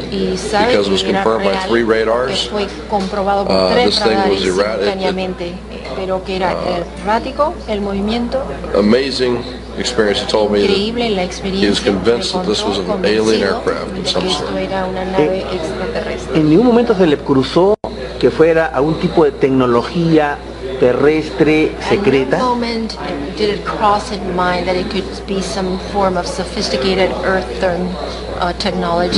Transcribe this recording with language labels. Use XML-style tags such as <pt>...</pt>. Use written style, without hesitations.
<en>because it was confirmed by three radars.</en> <es>Fue comprobado por tres</es> <en>this thing was</en> <es>errático, el movimiento.</es> <en>Amazing experience. He told me</en> <es>increíble la experiencia.</es> <en>He was convinced that this was an alien aircraft of some sort.</en> <es>Esto era una nave extraterrestre. En ningún momento se le cruzó que fuera algún tipo de tecnología terrestre secreta.</es> <en>At no moment did it cross in mind that it could be some form of sophisticated earthen technology.</en>